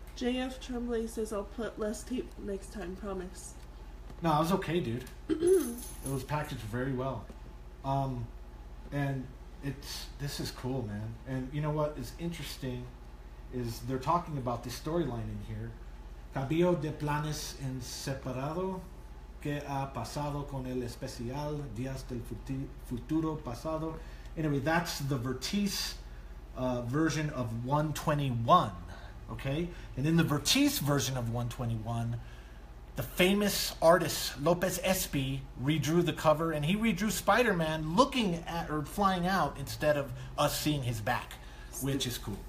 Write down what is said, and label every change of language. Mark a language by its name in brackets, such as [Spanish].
[English] JF Tremblay says, I'll put less tape next time. Promise. No, it was okay, dude. It was packaged very well. And this is cool, man. And you know what is interesting is they're talking about this storyline in here. [Spanish] Cambio de planes en separado. ¿Qué ha pasado con el especial Días del Futuro Pasado? [English] Anyway, that's the Vertiz version of 121, okay? And in the Vertiz version of 121, the famous artist Lopez Espy redrew the cover, and he redrew Spider-Man looking at or flying out instead of us seeing his back, which is cool.